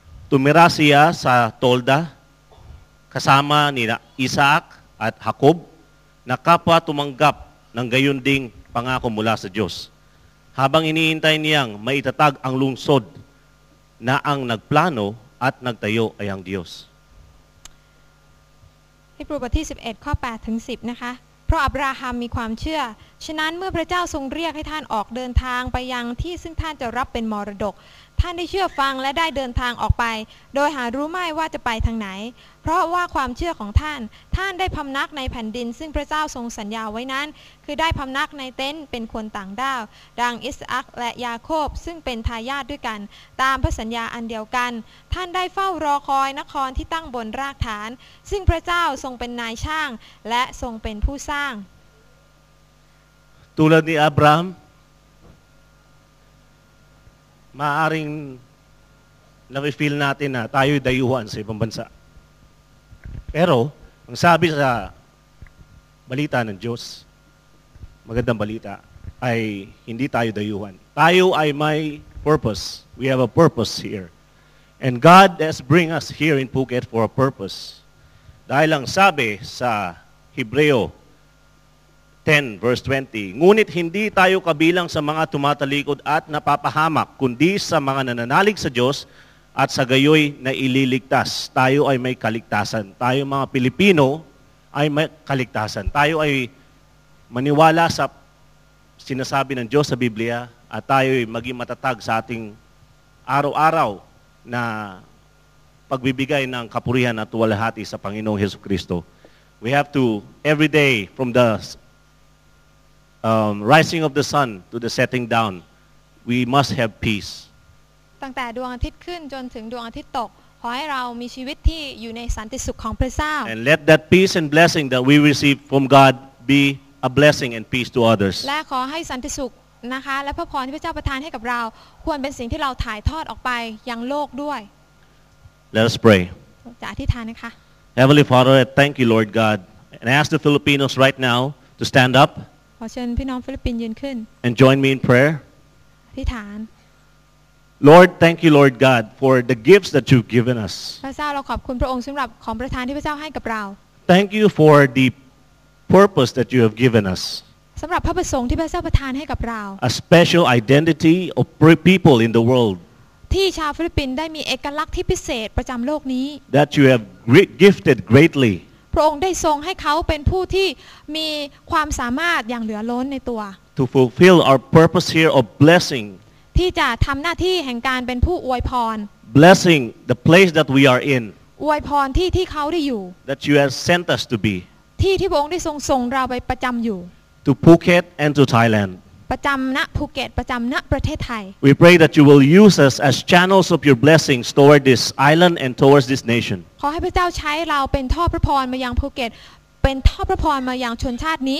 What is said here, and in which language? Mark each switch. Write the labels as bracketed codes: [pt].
[tl] Tumira siya sa tolda kasama ni Isaac at Jacob na kapwa tumanggap ng gayon ding pangako mula sa Diyos. Habang iniintay niyang maitatag ang lungsod na ang nagplano at nagtayo ay ang Diyos. [th] Hebrew 11 ข้อ8ถึง10นะคะเพราะอับราฮัมมีความเชื่อฉะนั้นเมื่อพระเจ้าทรงเรียกให้ท่านออกเดินทางไปยังที่ซึ่งท่านจะรับเป็นมรดกท่านได้เชื่อฟังและได้เดินทางออกไปโดยหารู้ไม่ว่าจะไปทางไหน เพราะว่าความเชื่อของท่านท่านได้พำนักในแผ่นดินซึ่งพระเจ้าทรงสัญญาไว้นั้นคือได้พำนักในเต็นท์เป็นคนต่างด้าวดังอิสอัคและยาโคบซึ่งเป็นทายาทด้วยกันตามพระสัญญาอันเดียวกันท่านได้เฝ้ารอคอยนครที่ตั้งบนรากฐานซึ่งพระเจ้าทรงเป็นนายช่างและทรงเป็นผู้สร้าง [tl] ตุลาดีอับราฮัมmaaring na-feel natin na tayo'y dayuhan sa ibang bansa. Pero, ang sabi sa balita ng Diyos, magandang balita, ay hindi tayo dayuhan. Tayo ay may purpose. [en] We have a purpose here. And God has bring us here in Phuket for a purpose. [tl] Dahil ang sabi sa Hebreo 10 verse 20, ngunit hindi tayo kabilang sa mga tumatalikod at napapahamak, kundi sa mga nananalig sa Diyos at sa gayoy na ililigtas. Tayo ay may kaligtasan. Tayo mga Pilipino ay may kaligtasan. Tayo ay maniwala sa sinasabi ng Diyos sa Biblia at tayo ay maging matatag sa ating araw-araw na pagbibigay ng kapurihan at walahati sa Panginoong Hesus Kristo. [en] We have to, every day from the rising of the sun to the setting down, we must have peace. [th] ตั้งแต่ดวงอาทิตย์ขึ้นจนถึงดวงอาทิตย์ตกขอให้เรามีชีวิตที่อยู่ในสันติสุขของพระเจ้า [en] And let that peace and blessing that we receive from God be a blessing and peace to others. [th] และขอให้สันติสุขนะคะและพระพรที่พระเจ้าประทานให้กับเราควรเป็นสิ่งที่เราถ่ายทอดออกไปยังโลกด้วย [en] Let us pray. [th] จะอธิษฐานนะคะ [en] Heavenly Father, I thank you, Lord God, and ask the Filipinos right now to stand up. [th] ขอเชิญพี่น้องฟิลิปปินส์ยืนขึ้น [en] And join me in prayer. [th] อธิษฐาน [en] Lord, thank you, Lord God, for the gifts that you've given us. [th] พระเจ้าเราขอบคุณพระองค์สำหรับของประทานที่พระเจ้าให้กับเรา [en] Thank you for the purpose that you have given us. [th] สำหรับพระประสงค์ที่พระเจ้าประทานให้กับเรา [en] A special identity of people in the world. [th] ที่ชาวฟิลิปปินส์ได้มีเอกลักษณ์ที่พิเศษประจำโลกนี้ [en] That you have gifted greatly. [th] พระองค์ได้ทรงให้เขาเป็นผู้ที่มีความสามารถอย่างเหลือล้นในตัว [en] To fulfill our purpose here of blessing [th] ที่จะทำหน้าที่แห่งการเป็นผู้อวยพร [en] Blessing the place that we are in [th] อวยพรที่ที่เขาได้อยู่ [en] That you have sent us to be [th] ที่ที่พระองค์ได้ทรงส่งเราไปประจำอยู่ [en] To Phuket and to Thailand [th] ประจำณภูเก็ตประจำณประเทศไทย [en] We pray that you will use us as channels of your blessings toward this island and towards this nation [th] ขอให้พระเจ้าใช้เราเป็นท่อพระพรมายังภูเก็ตเป็นท่อพระพรมายังชนชาตินี